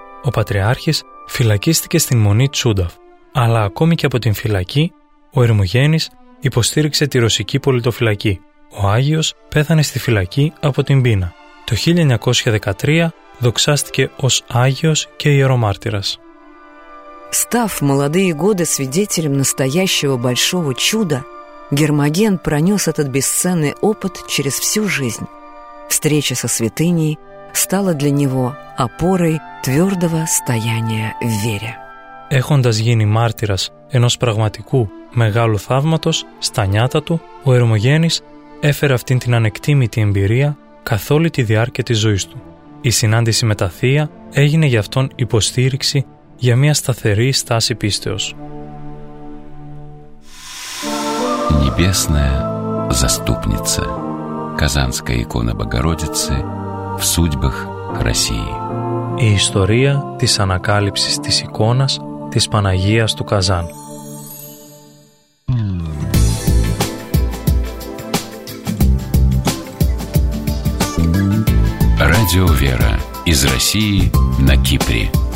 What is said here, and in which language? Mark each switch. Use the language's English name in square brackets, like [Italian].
[Greek] Ο Πατριάρχης φυλακίστηκε στην Μονή Τσούνταφ, αλλά ακόμη και από την φυλακή, ο Ερμογέννης υποστήριξε τη ρωσική πολιτοφυλακή. Ο Άγιος πέθανε στη φυλακή από την πείνα. Το 1913 δοξάστηκε ως Άγιος και Ιερομάρτυρας. [Russian] Став молодые годы свидетелем настоящего большого чуда, Гермоген пронес этот бесценный опыт через всю жизнь. Встреча со святыней стала для него опорой твердого стояния в вере. [Greek] Έχοντας γίνει μάρτυρας ενός πραγματικού μεγάλου θαύματος στα νιάτα του, ο Ερμογέννης έφερε αυτήν την ανεκτήμητη εμπειρία καθ' όλη τη διάρκεια της ζωής του. Η συνάντηση με τα θεία έγινε για αυτόν υποστήριξη για μια σταθερή στάση πίστεως. [Russian] Небесная заступница. Казанская икона Богородицы в судьбах России. [Greek] Η ιστορία της ανακάλυψης της εικόνας της Παναγίας του Καζάν. [Russian] Radio Vera. Из России на Кипре.